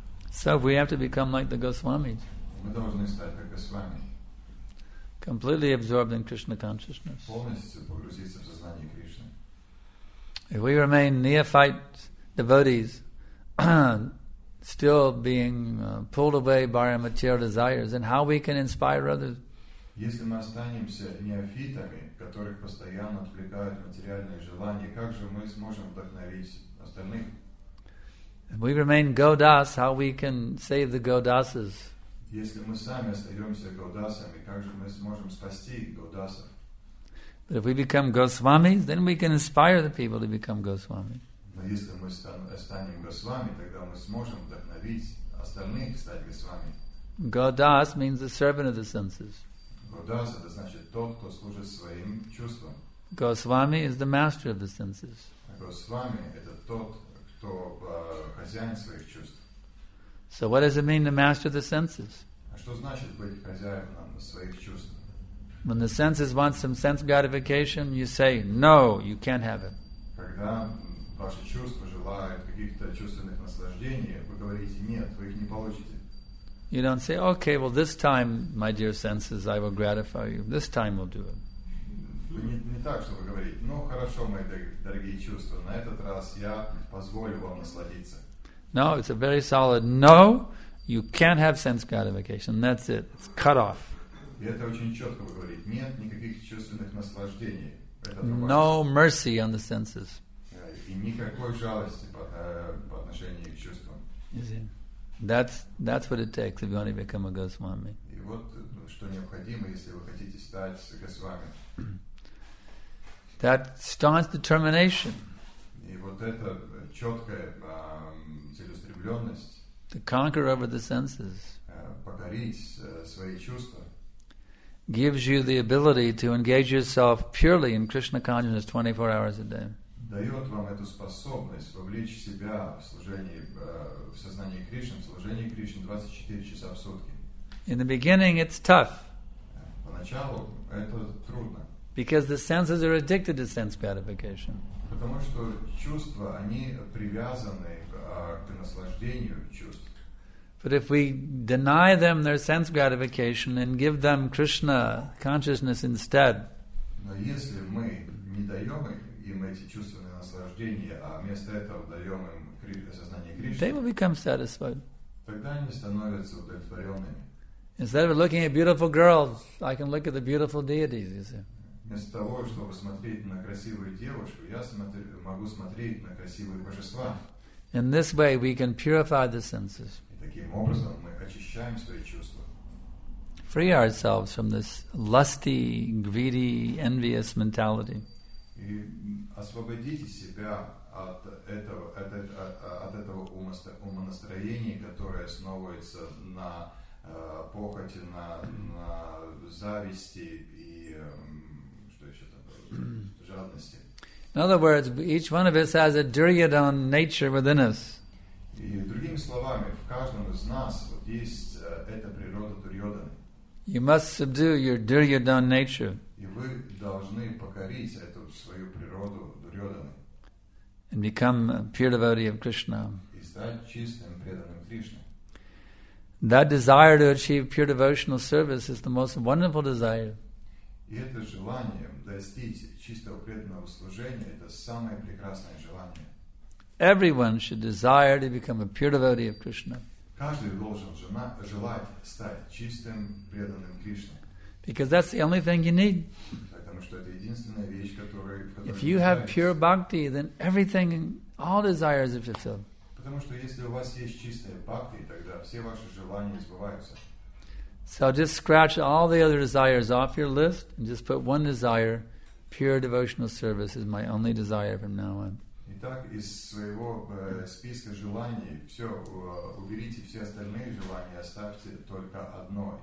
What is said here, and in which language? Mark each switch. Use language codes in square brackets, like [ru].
[en] So we have to become like the Goswamis. [ru] Мы должны стать как Госвами. [en] Completely absorbed in Krishna consciousness. [ru] Полностью погрузиться в сознание Кришны. [en] If we remain neophyte devotees, still being pulled away by our material desires, then how we can inspire others? [ru] Если мы останемся неофитами, которых постоянно отвлекают материальные желания, как же мы сможем вдохновить остальных? [en] We remain godas, how we can save the godasas? [ru] Если мы сами остаемся годасами, как же мы сможем спасти годасов? [en] But if we become goswamis, then we can inspire the people to become goswami. [ru] Но если мы станем госвами, тогда мы сможем вдохновить остальных стать госвами. [en] Godas means the servant of the senses. [ru] Godas, это значит тот, кто служит своим чувствам. [en] Goswami is the master of the senses. [ru] Goswami это тот, кто хозяин своих чувств. [en] So what does it mean to master the senses? [ru] А что значит быть хозяином своих чувств? [en] When the senses want some sense gratification, you say no, you can't have it. [ru] Когда ваши чувства желают каких-то чувственных наслаждений, вы говорите нет, вы их не получите. [en] You don't say, okay, well, this time, my dear senses, I will gratify you. This time we'll do it. [ru] Не так, чтобы говорить, ну, хорошо, мои дорогие чувства, на этот раз я позволю вам насладиться. [en] No, it's a very solid no. You can't have sense gratification. That's it. It's cut off. [ru] И это очень четко говорить. Нет никаких чувственных наслаждений. [en] No mercy on the senses. [ru] И никакой жалости по отношению к чувствам. [en] Is it? That's what it takes if you want to become a Goswami. [ru] И вот что необходимо, если вы хотите стать Госвами. [en] That staunch determination. [ru] И вот это четкое целеустремленность. [en] To conquer over the senses. [ru] Покорить свои чувства. [en] gives you the ability to engage yourself purely in Krishna consciousness 24 hours a day. [ru] Дает вам эту способность вовлечь себя в служение, в сознание Кришны, в служение Кришны 24 часа в сутки. [en] In the beginning it's tough. [ru] Поначалу это трудно. [en] Because the senses are addicted to sense gratification. [ru] Потому что чувства, они привязаны к наслаждению чувств. [en] But if we deny them their sense gratification and give them Krishna consciousness instead, [ru] но если мы не даем им эти чувственные наслаждения, а вместо этого даем им сознание Кришны, [en] they will become satisfied. [ru] Тогда они становятся удовлетворенными. [en] Instead of looking at beautiful girls, I can look at the beautiful deities, you see. [ru] Вместо того, чтобы смотреть на красивую девушку, я могу смотреть на красивые божества. [en] In this way, we can purify the senses. [ru] Таким образом мы очищаем свои чувства. [en] Free ourselves from this lusty, greedy, envious mentality. [ru] И освободите себя от этого, умонастроения, которое основывается на похоти, на зависти и что еще там было, жадности. [en] In other words, each one of us has a Duryodhan nature within us. [ru] И другими словами, в каждом из нас вот есть эта природа Дурьодхана. [en] You must subdue your Duryodhan nature. [ru] И вы должны покорить эту свою природу Дурьодхана. [en] And become a pure devotee of Krishna. [ru] И стать чистым преданным Кришне. [en] That desire to achieve pure devotional service is the most wonderful desire. [ru] И это желание достичь чистого преданного служения – это самое прекрасное желание. [en] Everyone should desire to become a pure devotee of Krishna. [ru] Каждый должен желать стать чистым преданным Кришне. [en] Because that's the only thing you need. [ru] Потому что это единственная вещь, которая. [en] If you have pure bhakti, then everything, all desires are fulfilled. [ru] Потому что если у вас есть чистая бхакти, тогда все ваши желания сбываются. [en] So just scratch all the other desires off your list and just put one desire: pure devotional service is my only desire from now on. [ru] Итак, из своего списка желаний все уберите все остальные желания, оставьте только одно.